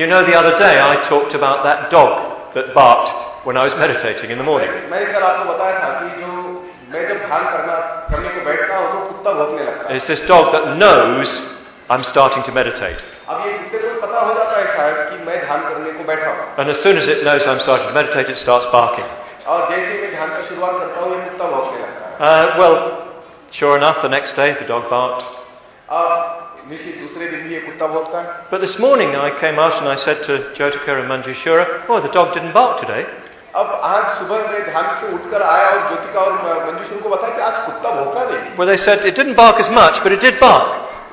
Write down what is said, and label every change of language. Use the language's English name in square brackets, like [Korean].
[English] You know the other day I talked about that dog that barked when I was meditating in the morning. [Hindi] मैंने कल आपको बताया था कि जो मैं जब ध्यान करने को बैठता हूँ तो कुत्ता भौंकने लगता है। [English] It's this dog that knows I'm starting to meditate. [Hindi] अब ये कुत्ते को पता हो जाता है शायद कि मैं ध्यान करने को बैठा हूँ। [English] And as soon as it knows I'm starting to meditate, it starts barking. [Hindi] और जैसे ही मैं ध्यान की शुरुआत करता हूँ ये कुत्ता भौंकने लगता है। [English] Well, Sure enough, the next day the dog barked. But this morning I came out and I said to Jyotika and Manjushura, "Oh, the dog didn't bark today." Well, they said, "It didn't bark as much, but it did bark."